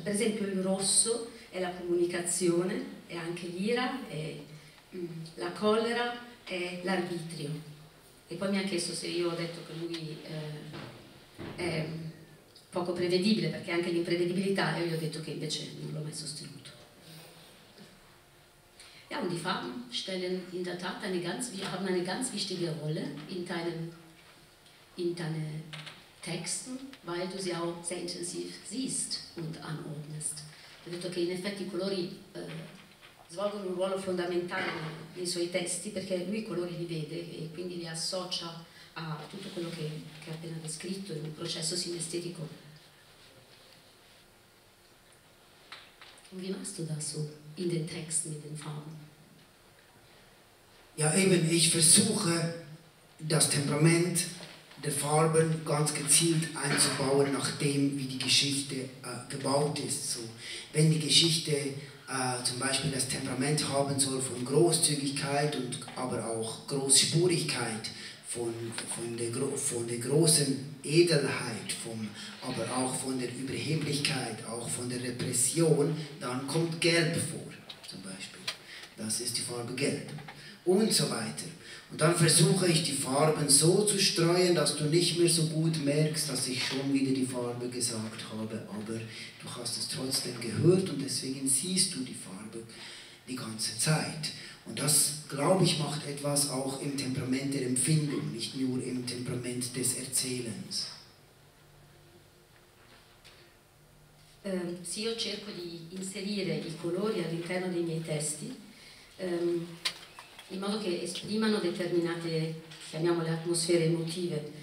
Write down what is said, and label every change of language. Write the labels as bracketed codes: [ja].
[it] Per esempio il rosso è la comunicazione, è anche l'ira, è la collera, è l'arbitrio. E poi mi ha chiesto se io ho detto che lui è poco prevedibile, perché anche l'imprevedibilità, io gli ho detto che invece non l'ho mai sostenuto. [de] Ja, und die Farben stellen in der Tat eine ganz, haben eine ganz wichtige Rolle in deinen Texten, weil du sie auch sehr intensiv siehst und anordnest. [it] Ho detto che in effetti i colori svolgono un ruolo fondamentale nei suoi testi, perché lui i colori li vede e quindi li associa a tutto quello che ha appena descritto in un processo sinestetico. [de] Wie machst du das so in den Texten mit den Farben? Ja, eben, ich versuche das Temperament der Farben ganz gezielt einzubauen, nachdem wie die Geschichte gebaut ist. So, wenn die Geschichte zum Beispiel das Temperament haben soll von Großzügigkeit und aber auch Großspurigkeit, von der großen Edelheit, aber auch von der Überheblichkeit, auch von der Repression, dann kommt Gelb vor, zum Beispiel. Das ist die Farbe Gelb. Und so weiter. Und dann versuche ich, die Farben so zu streuen, dass du nicht mehr so gut merkst, dass ich schon wieder die Farbe gesagt habe, aber du hast es trotzdem gehört und deswegen siehst du die Farbe die ganze Zeit. Und das, glaube ich, macht etwas auch im Temperament der Empfindung, nicht nur im Temperament des Erzählens. [it] Sì, io cerco di inserire i colori all'interno dei miei testi, in modo che esprimano determinate, chiamiamole, atmosfere emotive.